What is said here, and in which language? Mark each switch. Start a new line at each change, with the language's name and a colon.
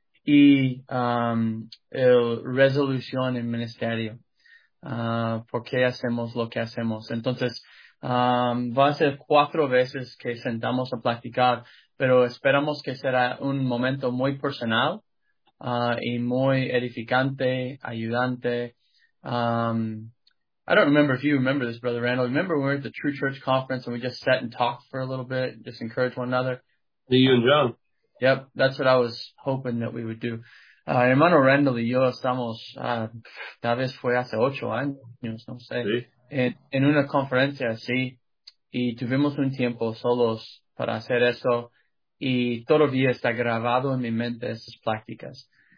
Spanish: Y la resolución en ministerio, por qué hacemos lo que hacemos. Entonces, va a ser 4 veces que sentamos a platicar, pero esperamos que será un momento muy personal y muy edificante, ayudante.
English: I don't remember if you remember this, Brother Randall. Remember we were at the True Church Conference and we just sat and talked for a little bit, just encouraged one another? See you and John. Yep, that's what I was hoping that we would do.
Spanish: Hermano Randall y yo estamos, tal vez fue hace 8 años, no sé, sí. en una conferencia así, y tuvimos un tiempo solos para hacer eso, y todavía está grabado en mi mente esas pláticas.